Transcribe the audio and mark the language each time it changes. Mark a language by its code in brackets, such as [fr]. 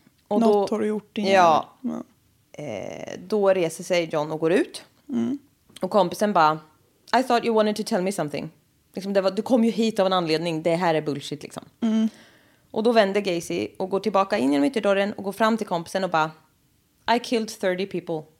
[sv] Och då, något har du gjort innan. Ja. Då reser sig John och går ut. Mm. Och kompisen bara, [en] I thought you wanted to tell me something. [sv] Liksom det var, du kom ju hit av en anledning. Det här är bullshit liksom. Mm. Och då vänder Gacy och går tillbaka in genom ytterdörren och går fram till kompisen och bara, [en] I killed 30 people.